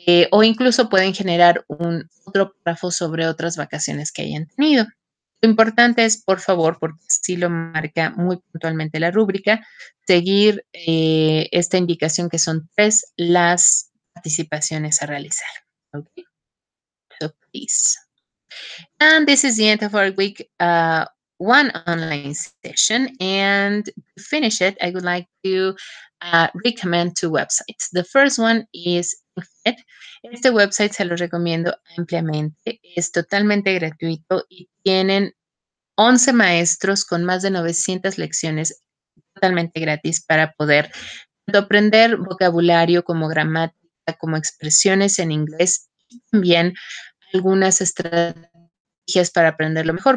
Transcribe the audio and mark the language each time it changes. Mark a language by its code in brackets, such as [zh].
[es] O incluso pueden generar un otro párrafo sobre otras vacaciones que hayan tenido. Lo importante es, por favor, porque así lo marca muy puntualmente la rúbrica, seguir esta indicación que son 3 las participaciones a realizar. Okay. [en] So, please. And this is the end of our week one online session. And to finish it, I would like to recommend two websites. The first one is Fit. [es] Este website se lo recomiendo ampliamente. Es totalmente gratuito y tienen 11 maestros con más de 900 lecciones totalmente gratis para poder tanto aprender vocabulario como gramática, como expresiones en inglés y también algunas estrategias para aprenderlo mejor.